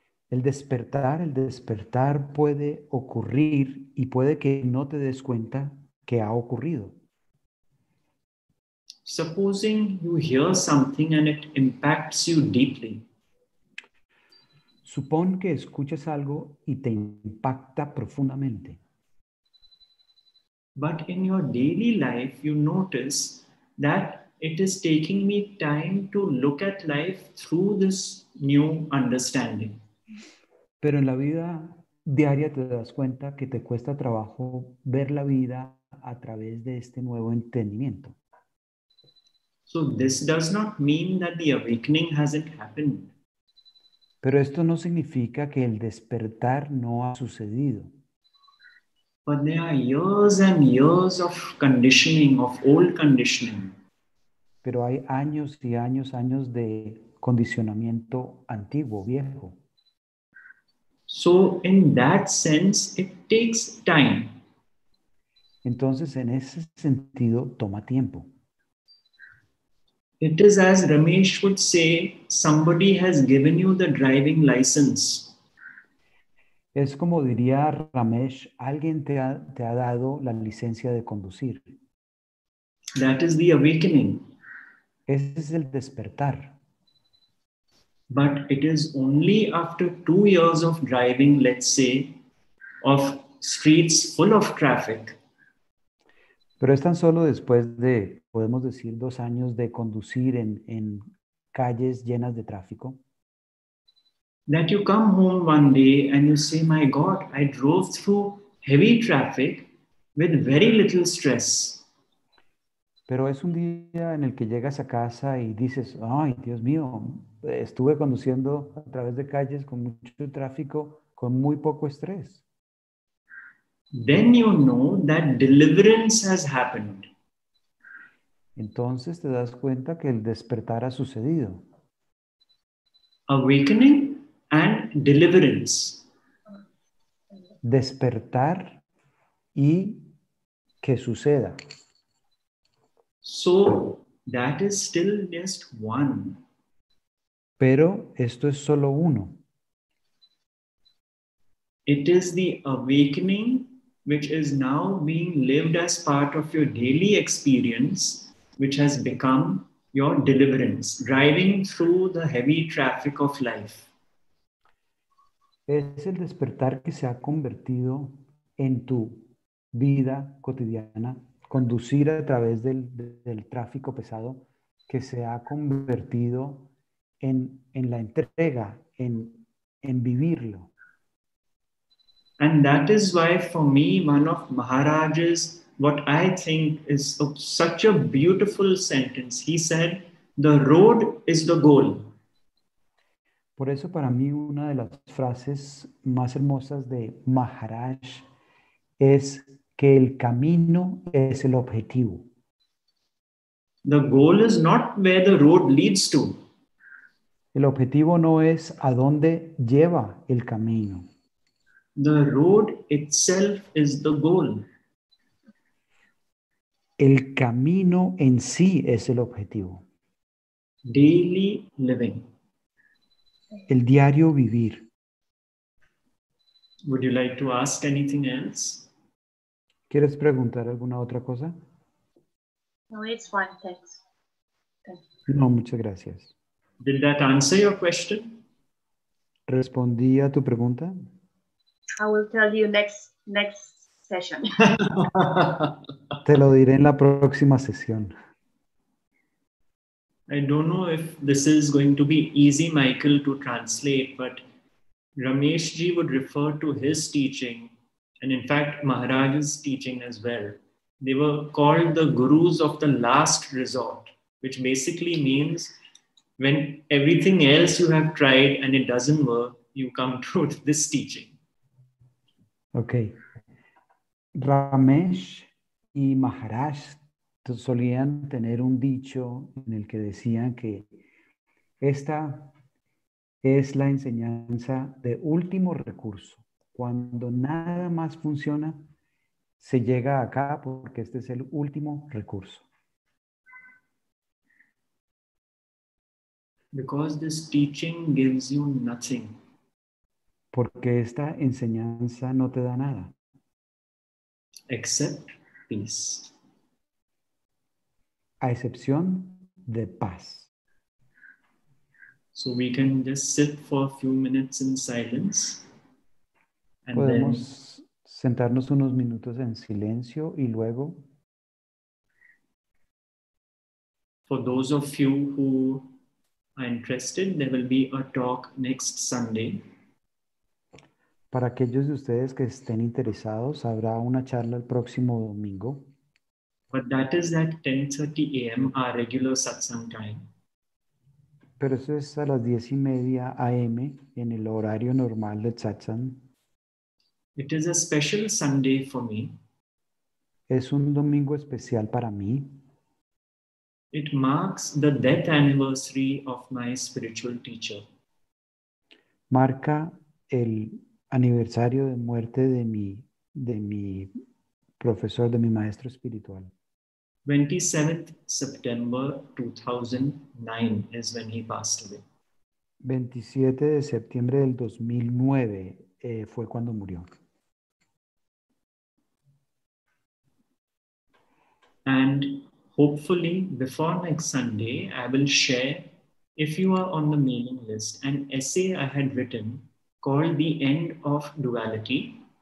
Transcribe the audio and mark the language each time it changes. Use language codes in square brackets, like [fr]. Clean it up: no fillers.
[es] El despertar puede ocurrir y puede que no te des cuenta que ha ocurrido. [en] Supposing you hear something and it impacts you deeply. [es] Supón que escuchas algo y te impacta profundamente. [en] But in your daily life, you notice that it is taking me time to look at life through this new understanding. [es] Pero en la vida diaria te das cuenta que te cuesta trabajo ver la vida a través de este nuevo entendimiento. [en] So this does not mean that the awakening hasn't happened. [es] Pero esto no significa que el despertar no ha sucedido. [en] But there are years and years of conditioning, of old conditioning. [es] Pero hay años y años, años de condicionamiento antiguo, viejo. [en] So in that sense, it takes time. [es] Entonces, en ese sentido, toma tiempo. [en] It is as Ramesh would say, somebody has given you the driving license. [es] Es como diría Ramesh, alguien te ha dado la licencia de conducir. [en] That is the awakening. [es] Ese es el despertar. [en] But it is only after 2 years of driving, let's say, of streets full of traffic. [es] Pero es tan solo después de, podemos decir, 2 años de conducir en calles llenas de tráfico. [en] That you come home one day and you say, my God, I drove through heavy traffic with very little stress. [es] Pero es un día en el que llegas a casa y dices, ay, Dios mío, estuve conduciendo a través de calles con mucho tráfico, con muy poco estrés. [en] Then you know that deliverance has happened. [es] Entonces te das cuenta que el despertar ha sucedido. [en] Awakening and deliverance. [es] Despertar y que suceda. [en] So that is still just one. [es] Pero esto es solo uno. [en] It is the awakening which is now being lived as part of your daily experience, which has become your deliverance, driving through the heavy traffic of life. [es] Es el despertar que se ha convertido en tu vida cotidiana, conducir a través del tráfico pesado, que se ha convertido en la entrega, en vivirlo. [en] And that is why for me, one of Maharaj's, what I think is such a beautiful sentence. He said, the road is the goal. [es] Por eso para mí una de las frases más hermosas de Maharaj es que el camino es el objetivo. [en] The goal is not where the road leads to. [es] El objetivo no es a dónde lleva el camino. [en] The road itself is the goal. [es] El camino en sí es el objetivo. [en] Daily living. [es] El diario vivir. [en] Would you like to ask anything else? [es] ¿Quieres preguntar alguna otra cosa? [en] No, it's fine, thanks. [es] No, muchas gracias. [en] Did that answer your question? [es] ¿Respondí a tu pregunta? [en] I will tell you next session. [es] Te lo diré en la próxima sesión. [en] I don't know if this is going to be easy, Michael, to translate, but Ramesh ji would refer to his teaching, and in fact, Maharaj's teaching as well. They were called the gurus of the last resort, which basically means when everything else you have tried and it doesn't work, you come to this teaching. Okay. [es] Ramesh y Maharaj solían tener un dicho en el que decían que esta es la enseñanza de último recurso. Cuando nada más funciona, se llega acá porque este es el último recurso. [en] Because this teaching gives you nothing. [es] Porque esta enseñanza no te da nada. [en] Except peace. [es] A excepción de paz. [en] So we can just sit for a few minutes in silence. And [es] podemos [en] then [es] sentarnos unos minutos en silencio y luego. [en] For those of you who are interested, there will be a talk next Sunday. [es] Para aquellos de ustedes que estén interesados, habrá una charla el próximo domingo. [en] But that is at 10:30 a.m. our regular satsang time. [es] Pero eso es a las 10:30 a.m. en el horario normal de satsang. [en] It is a special Sunday for me. [es] Es un domingo especial para mí. [en] It marks the death anniversary of my spiritual teacher. [es] Marca el aniversario de muerte de mi profesor, de mi maestro espiritual. [en] 27th September 2009 is when he passed away. [es] 27 de septiembre del 2009 fue cuando murió. [en] And hopefully before next Sunday, I will share, if you are on the mailing list, an essay I had written called The End of Duality.